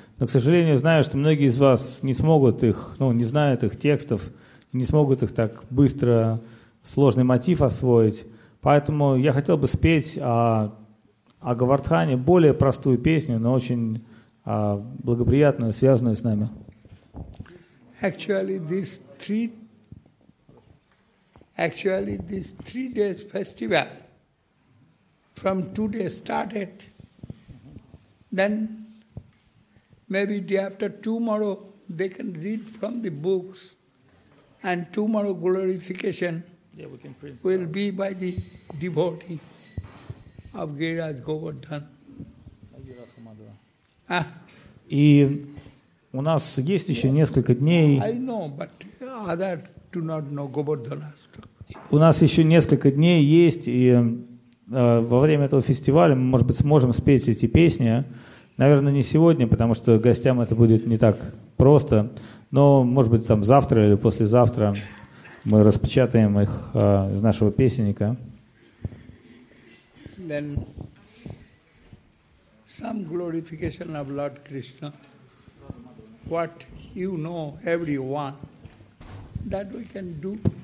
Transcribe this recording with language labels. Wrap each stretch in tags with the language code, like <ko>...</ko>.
<ru>Но, к сожалению, знаю, что многие из вас не смогут их, ну, не знают их текстов, не смогут их так быстро, сложный мотив освоить. Поэтому я хотел бы спеть о Говардхане более простую песню, но очень благоприятную, связанную с нами.</ru> <en>Actually, this three days festival from 2 days started. Then maybe day after tomorrow they can read from the books, and tomorrow glorification we can print will that. Be by the devotee of Giriraj Govardhan.</en> <ru>И у нас есть еще несколько дней.</ru> <en>I know, but others do not know Govardhana.</en> <ru>У нас еще несколько дней есть, и во время этого фестиваля мы, может быть, сможем спеть эти песни. Наверное, не сегодня, потому что гостям это будет не так просто. Но, может быть, там завтра или послезавтра мы распечатаем их из нашего песенника.</ru> <en>Then some glorification of Lord Krishna, what you know, everyone, that we can do.</en>